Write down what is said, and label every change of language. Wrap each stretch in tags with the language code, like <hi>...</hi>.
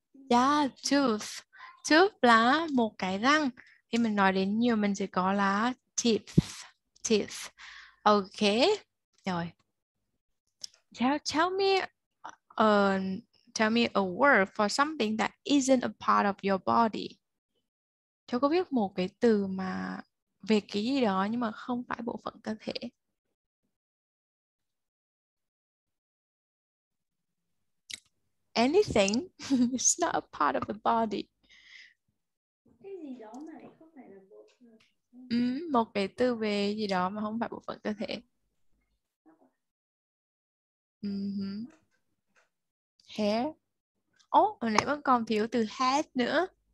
<vi>Yeah, tooth. Tooth là một cái răng. Khi mình nói đến nhiều mình sẽ có là teeth. Ok. Rồi.</vi> <en>Tell me a word for something that isn't a part of your body.</en> <vi>Cho cô biết một cái từ mà về cái gì đó nhưng mà không phải bộ phận cơ thể.</vi> <en>Anything is not a part of the body.</en> <vi>Cái gì đó mà không phải là bộ phận. Một cái từ về gì đó mà không phải bộ phận cơ thể. Hair. Hồi nãy vẫn còn thiếu từ head nữa.</vi>